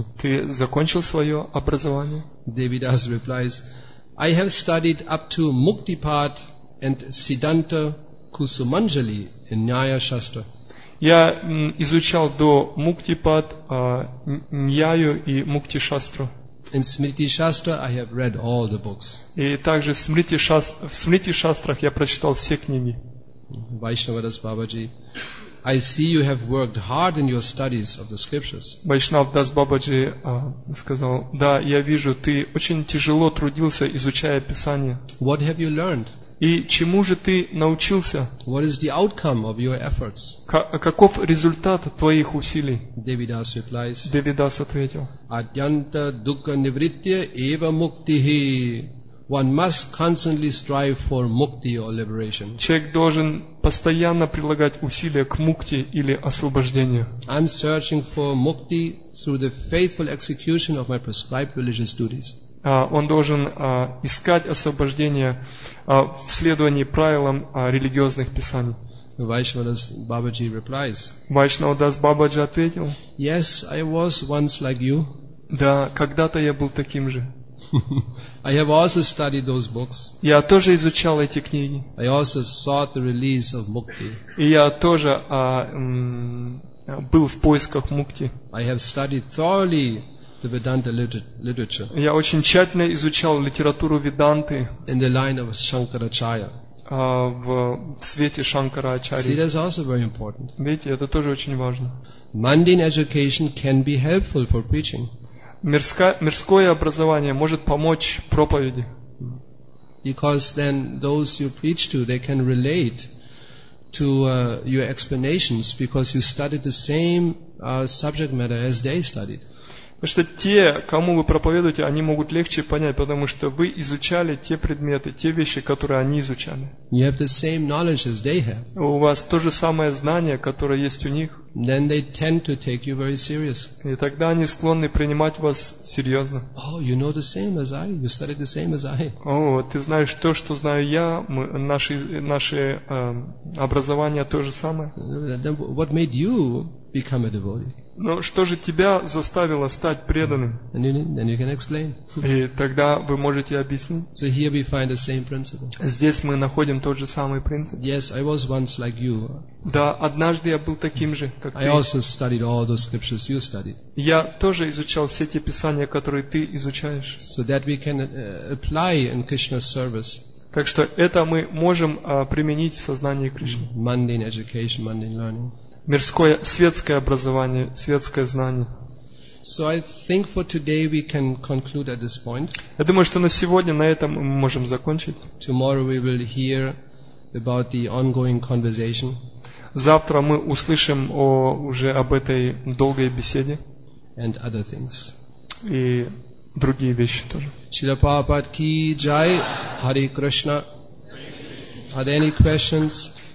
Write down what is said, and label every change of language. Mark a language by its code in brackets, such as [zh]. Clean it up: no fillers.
[ru] Ты закончил свое образование? [en] Devidas replies, I have studied up to Muktipad and Siddhanta Kusumanjali in Nyaya Shastra. [ru] Я изучал до Муктипад, Ньяю и Мукти Шастру. [en] In Smriti Shastra I have read all the books. [ru] И также в Смрити Шастрах я прочитал все книги. [en] Vaishnavadas Babaji I see you have worked hard in your studies of the scriptures. [ru] Вайшнав Дас Бабаджи сказал: "Да, я вижу, ты очень тяжело трудился, изучая Писание. [en] What have you learned? [ru] И чему же ты научился? [en] What is the outcome of your efforts? [ru] Каков результат твоих усилий?" [en] Devidas replies. [ru] Devidas ответил: [sa] "Adyanta dukkha nivritti eva muktihi." [en] One must constantly strive for mukti or liberation. [ru] Человек должен постоянно прилагать усилия к мукти или освобождению. [en] I'm searching for mukti through the faithful execution of my prescribed religious duties. [ru] Он должен искать освобождение в следовании правилам религиозных писаний. [en] Vaishnavdas Babaji replies. [ru] Vaishnavdas Babaji ответил. [en] Yes, I was once like you. [ru] Да, когда-то я был таким же. [en] I have also studied those books. [ru] Я тоже изучал эти книги. [en] I also sought the release of mukti. [ru] И я тоже был в поисках мукти. [en] I have studied thoroughly the Vedanta literature. [ru] Я очень тщательно изучал литературу Веданты. [en] In the line of Shankaracharya. [ru] В свете Шанкарачарьи. [en] See, that's also very important. [ru] Видите, это тоже очень важно. [en] Mundane education can be helpful for preaching. [ru] Мирское образование может помочь проповеди. [en] Because then those you preach to, they can relate to your explanations because you studied the same subject matter as they studied. [ru] Потому что те, кому вы проповедуете, они могут легче понять, потому что вы изучали те предметы, те вещи, которые они изучали. [en] You have the same knowledge as they have. [ru] У вас то же самое знание, которое есть у них. [en] Then they tend to take you very serious. [ru] И тогда они склонны принимать вас серьезно. [en] Oh, you know the same as I. You studied the same as I. [ru] О, ты знаешь то, что знаю я. Мы, наши образование то же самое. [en] Then what made you become a devotee? [ru] Но что же тебя заставило стать преданным? И тогда вы можете объяснить. Здесь мы находим тот же самый принцип. [en] Yes, I was once like you. [ru] Да, однажды я был таким же, как ты. [en] I also studied all those scriptures you studied. [ru] Я тоже изучал все те писания, которые ты изучаешь. [en] So that we can apply in Krishna's service. [ru] Так что это мы можем применить в сознании Кришны. [en] Mundane education, mundane learning. [ru] Мирское, светское образование, светское знание. [en] So I think for today we can conclude at this point. [ru] Я думаю, что на сегодня на этом мы можем закончить. [en] Tomorrow we will hear about the ongoing conversation. [ru] Завтра мы услышим уже об этой долгой беседе. [en] And other things. [ru] И другие вещи тоже. Шрила Прабхупада ки джай, Хари Кришна. [en] Are there any questions?